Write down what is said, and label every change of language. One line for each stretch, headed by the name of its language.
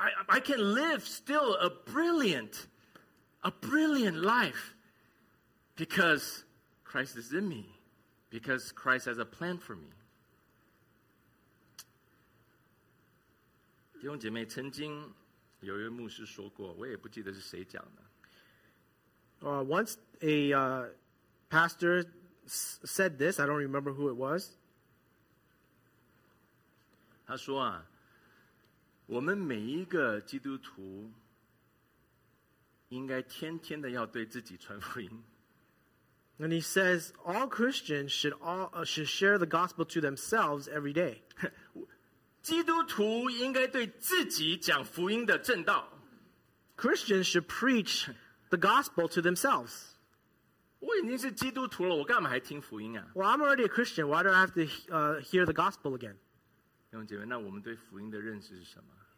English: I can live still a brilliant life because Christ is in me, because Christ has a plan for me.
Chinese: 弟兄姐妹, 曾经有一位牧师说过, 我也不记得是谁讲的。
English: Once a pastor said this, I don't remember who it was.
Chinese: 他说啊, 我们每一个基督徒 应该天天的要对自己传福音。
English: And he says all Christians should share the gospel to themselves every day.
Chinese: 基督徒应该对自己讲福音的正道。
English: Christians should preach the gospel to themselves.
Chinese: 我已经是基督徒了，我干嘛还听福音啊？
English: Well, I'm already a Christian. Why do I have to hear the gospel again?
Chinese: 弟兄姐妹，那我们对福音的认识是什么？